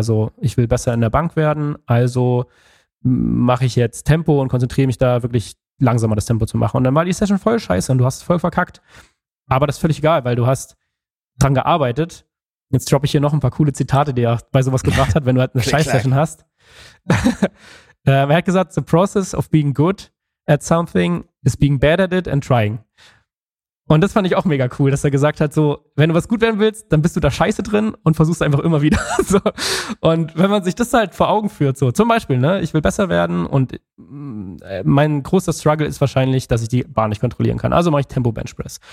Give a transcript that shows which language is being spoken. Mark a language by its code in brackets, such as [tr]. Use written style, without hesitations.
[de] Also ich will besser in der Bank werden, also mache ich jetzt Tempo und konzentriere mich da wirklich langsamer das Tempo zu machen. Und dann war die Session voll scheiße und du hast es voll verkackt. Aber das ist völlig egal, weil du hast dran gearbeitet. Jetzt droppe ich hier noch ein paar coole Zitate, die er bei sowas gebracht hat, wenn du halt eine Scheiß-Session hast. Er hat gesagt, [en] the process of being good at something is being bad at it and trying. [de] Und das fand ich auch mega cool, dass er gesagt hat, so, wenn du was gut werden willst, dann bist du da scheiße drin und versuchst einfach immer wieder. So. Und wenn man sich das halt vor Augen führt, so zum Beispiel, ne, ich will besser werden und mein großer Struggle ist wahrscheinlich, dass ich die Bar nicht kontrollieren kann. Also mache ich Tempo Bench Press.